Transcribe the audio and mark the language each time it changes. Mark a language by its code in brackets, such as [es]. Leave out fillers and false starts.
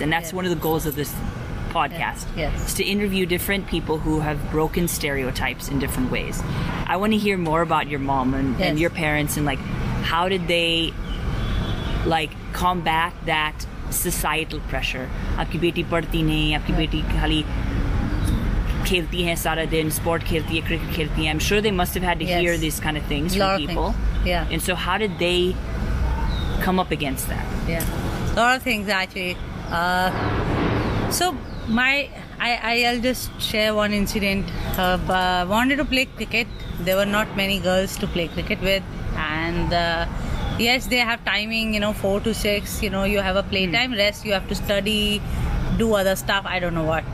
[en] And that's yeah. One of the goals of this podcast, yes. Is to interview different people who have broken stereotypes in different ways. I want to hear more about your mom and, yes. And your parents, and like, how did they like combat that societal pressure? [hi] आपकी बेटी पढ़ती नहीं, आपकी बेटी खाली खेलती है सारा दिन, sport खेलती है, cricket खेलती है. [en] I'm sure they must have had to yes. Hear these kind of things from people. Yeah. And so how did they come up against that? Yeah, a lot of things actually. I'll just share one incident. Wanted to play cricket. There were not many girls to play cricket with, and yes, they have timing, you know, 4 to 6, you know, you have a play time, rest, you have to study, do other stuff, I don't know what.